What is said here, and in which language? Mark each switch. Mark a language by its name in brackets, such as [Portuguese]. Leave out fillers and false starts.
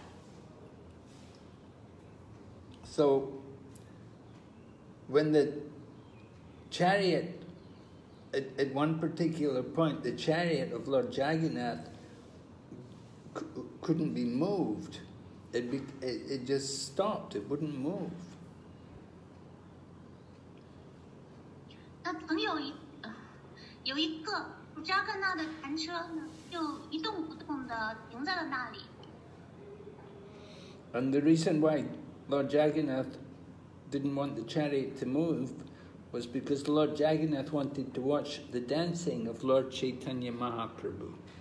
[Chinese] 我们一直在讲的是查丹尼亚马哈布的逍遥时光。今天上午我们讲到了弹车节。 [English] So, when the chariot, at one particular point, the chariot of Lord Jagannath couldn't be moved. It just stopped. It wouldn't move. [Chinese] 那曾有一个扎格纳的弹车呢，就一动不动地停在了那里。 [English] And the reason why Lord Jagannath didn't want the chariot to move was because Lord Jagannath wanted to watch the dancing of Lord Chaitanya Mahaprabhu.